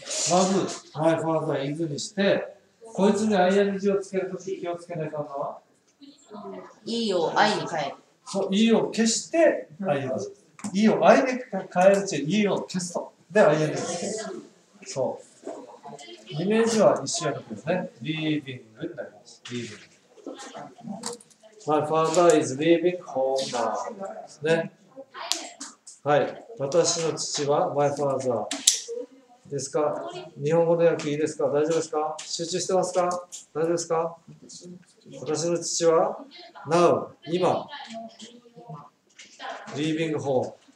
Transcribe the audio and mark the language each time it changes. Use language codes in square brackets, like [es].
[ja] まず、 [en] My father is [ja] にして、こいつに ING をつけるとき気をつけないかんのは ?E を I に変える。そう、E を消して ING。E を I に変えるっていう E を消すと。で、ING をつける。そう。イメージは一緒やったんですね。 Leaving になります。 [en] Leaving。 My father is leaving home now. [ja] ですね。はい。私の父は [en] My father. [ja] ですか。日本語の訳いいですか。大丈夫ですか。集中してますか。大丈夫ですか。私の父は Now. 今。 [en] Leaving home.